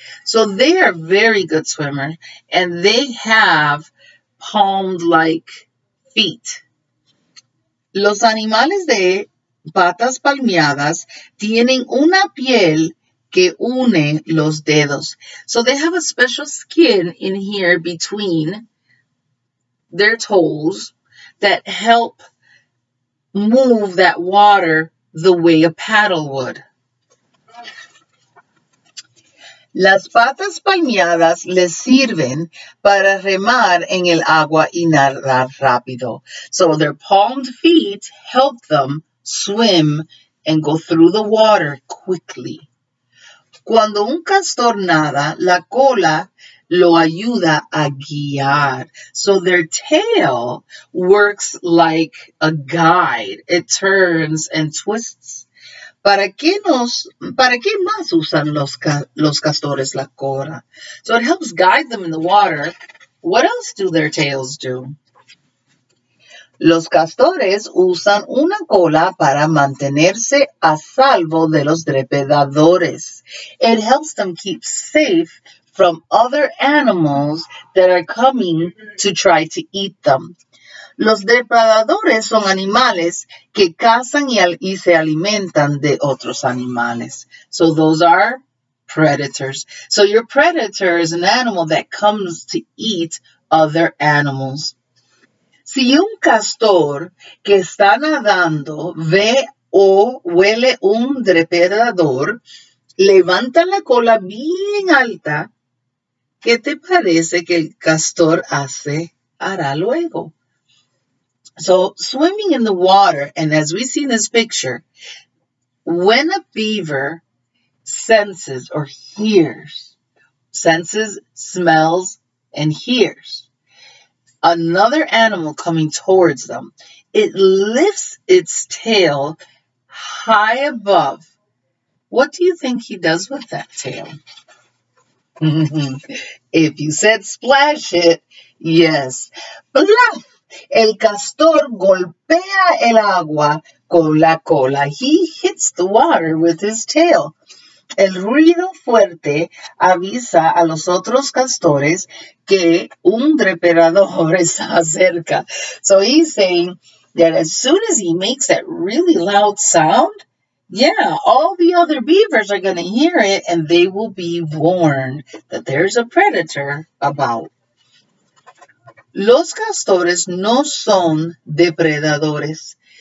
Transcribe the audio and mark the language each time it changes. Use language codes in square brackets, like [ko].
[en] So they are very good swimmers and they have palmed-like feet. [es] Los animales de patas palmeadas tienen una piel que une los dedos. [en] So they have a special skin in here between their toes that help move that water the way a paddle would. [es] Las patas palmeadas les sirven para remar en el agua y nadar rápido. [en] So their palmed feet help them swim and go through the water quickly. [es] Cuando un castor nada, la cola lo ayuda a guiar. [en] So their tail works like a guide. It turns and twists. [es] Para qué más usan los castores la cola? [en] So it helps guide them in the water. What else do their tails do? [es] Los castores usan una cola para mantenerse a salvo de los depredadores. [en] It helps them keep safe from other animals that are coming to try to eat them. [es] Los depredadores son animales que cazan y se alimentan de otros animales. [en] So those are predators. So your predator is an animal that comes to eat other animals. [es] Si un castor que está nadando ve o huele un depredador, levanta la cola bien alta. ¿Qué te parece que el castor hará luego? [en] So swimming in the water, and as we see in this picture, when a beaver senses or hears, senses, smells, and hears another animal coming towards them, it lifts its tail high above. What do you think he does with that tail? If you said splash it, yes. Blah! [es] El castor golpea el agua con la cola. [en] He hits the water with his tail. [es] El ruido fuerte avisa a los otros castores que un depredador está cerca. [en] So he's saying that as soon as he makes that really loud sound, yeah, all the other beavers are going to hear it and they will be warned that there's a predator about. [es] Los castores no son depredadores.